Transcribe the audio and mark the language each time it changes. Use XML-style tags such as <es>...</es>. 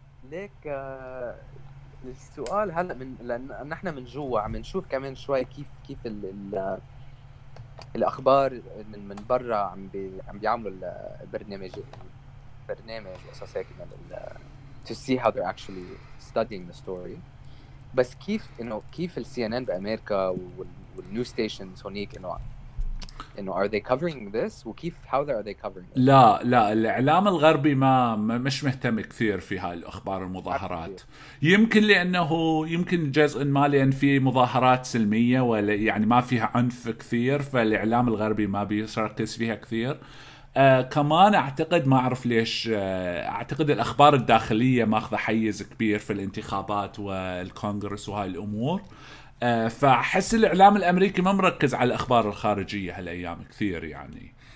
<ar>ليك السؤال هلأ من لأن نحن من جوا عم نشوف كمان شوي كيف الأخبار من برا عم بيعملوا البرنامج برنامج وقصص هيك</ar> <en>to see how they're actually studying the story.</en> <ar>بس كيف إنه كيف ال CNN بأمريكا وال</ar> <en>news stations</en> <ar>هونيك إنه</ar> <en>are they covering this</en> <ar>وكيف</ar> <en>how are they covering it؟</en> <ar>لا الإعلام الغربي ما مش مهتم كثير في هاي الأخبار المظاهرات، يمكن لأنه يمكن جزء ما لأن في مظاهرات سلمية ولا يعني ما فيها عنف كثير، فالإعلام الغربي ما بيركز فيها كثير. كمان اعتقد ما اعرف ليش اعتقد الاخبار الداخليه ماخذ حيز كبير في الانتخابات والكونغرس وهاي الامور، فحس الاعلام الامريكي ما مركز على الاخبار الخارجيه هالايام كثير يعني.</ar>